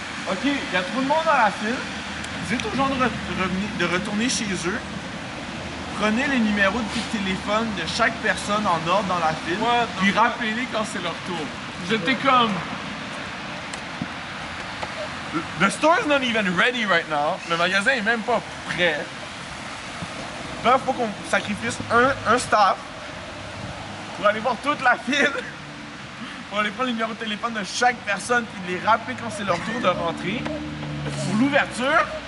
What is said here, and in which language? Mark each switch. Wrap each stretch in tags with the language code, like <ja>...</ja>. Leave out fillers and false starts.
<fr>Ok, il y a trop de monde dans la file. Dites aux gens de retourner chez eux. Prenez les numéros de téléphone de chaque personne en ordre dans la file. Puis rappelez-les quand c'est leur tour. J'étais comme...</fr> <en>The store is not even ready right now.</en> <fr>Le magasin est même pas prêt. Là, il faut qu'on sacrifice un staff pour aller voir toute la file. Pour aller prendre les numéros de téléphone de chaque personne et les rappeler quand c'est leur tour de rentrer. Pour l'ouverture.</fr>